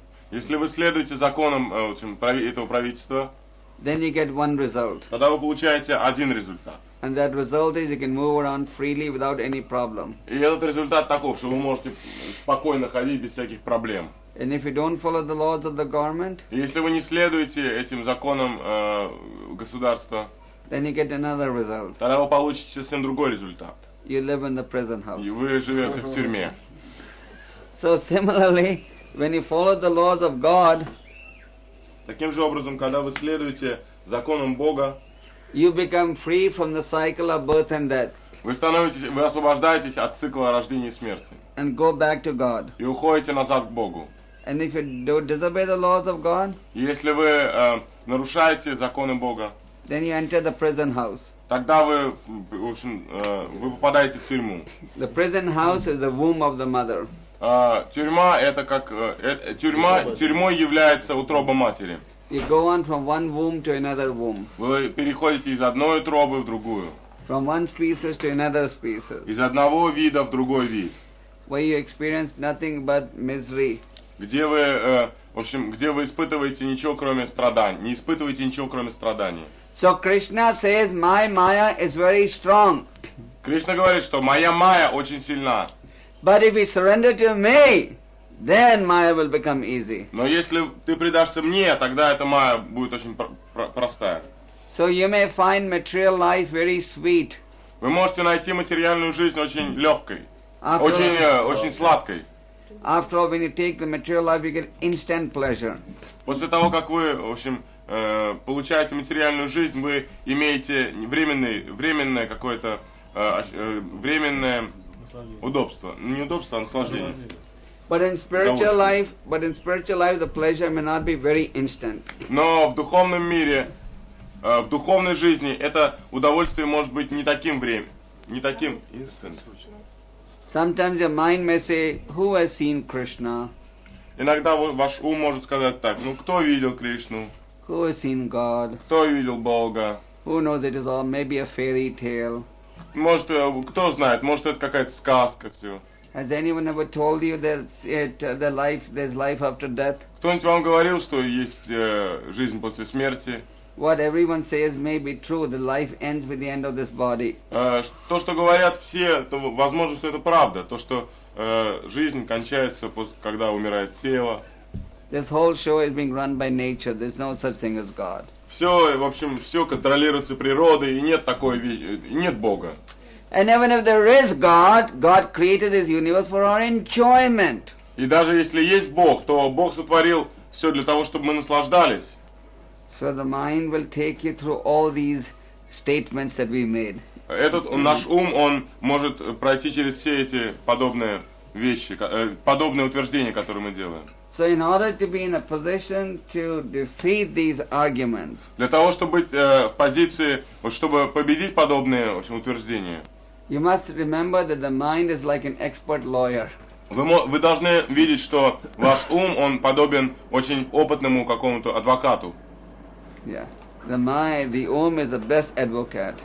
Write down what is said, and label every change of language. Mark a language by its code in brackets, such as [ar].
[ru] если вы следуете законам, в общем, этого правительства, [en] then you get one result. [ru] Тогда вы получаете один результат. [en] And that result is you can move around freely without any problem. [ru] И этот результат таков, что вы можете спокойно ходить без всяких проблем. [en] And if you don't follow the laws of the government, [ru] если вы не следуете этим законам государства, [en] then you get another result. [ru] Тогда вы получите совсем другой результат. [en] You live in the prison house. [ru] И вы живете в тюрьме. [en] So similarly, when you follow the laws of God, [ru] таким же образом, когда вы следуете законам Бога, [en] you become free from the cycle of birth and death. [ru] Вы освобождаетесь от цикла рождения и смерти. [en] And go back to God. [ru] И уходите назад к Богу. [en] And if you do disobey the laws of God, [ru] если вы нарушаете законы Бога, [en] then you enter the prison house. [ru] Тогда вы, в общем, вы попадаете в тюрьму. [en] The prison house is the womb of the mother. [ru] Тюрьма это как тюрьма, тюрьмой является утроба матери. [en] You go on from one womb to another womb. [ru] Вы переходите из одной утробы в другую. [en] From one species to another species. [ru] Из одного вида в другой вид. [en] Where you experience nothing but misery. [ru] Где вы, в общем, где вы испытываете ничего кроме страданий, не испытываете ничего кроме страданий. [en] So Krishna says, my Maya is very strong. [ru] Кришна говорит, что моя майя очень сильна. [en] But if you surrender to me, then Maya will become easy. [ru] Но если ты предашься мне, тогда эта майя будет очень простая. [en] So you may find material life very sweet. [ru] Вы можете найти материальную жизнь очень легкой, очень сладкой. [en] After all, when you take the material life, you get instant pleasure. [ru] После того, как вы, в общем, получаете материальную жизнь, вы имеете временное какое-то временное удобство. Не удобство, а наслаждение. [en] But in spiritual life, the pleasure may not be very instant. [ru] Но в духовном мире, в духовной жизни, это удовольствие может быть не таким временем, не таким instant. [en] Sometimes your mind may say, "Who has seen Krishna?" [ru] Иногда ваш ум может сказать так: ну кто видел Кришну? [en] Who has seen God? [ru] Кто видел Бога? [en] Who knows it is all maybe a fairy tale? [ru] Может, кто знает? Может, это какая-то сказка все. [en] Has anyone ever told you that there's life after death? [ru] Кто-нибудь вам говорил, что есть жизнь после смерти? [en] What everyone says may be true. The life ends with the end of this body. [ru] То, что говорят все, то, возможно, что это правда. То, что жизнь кончается, когда умирает тело. [en] This whole show is being run by nature. There's no such thing as God. [ru] Все, в общем, все контролируется природой, и нет такой, нет Бога. [en] And even if there is God, God created this universe for our enjoyment. [ru] И даже если есть Бог, то Бог сотворил все для того, чтобы мы наслаждались. [en] So the mind will take you through all these statements that we made. [ru] Этот наш ум, он может пройти через все эти подобные вещи, подобные утверждения, которые мы делаем. [en] So in order to be in a position to defeat these arguments. [ru] Для того, чтобы быть в позиции, чтобы победить подобные, в общем, утверждения. [en] You must remember that the mind is like an expert lawyer. [ru] Вы должны видеть, что ваш ум, он подобен очень опытному какому-то адвокату. [en] Yeah. The ум is the best advocate.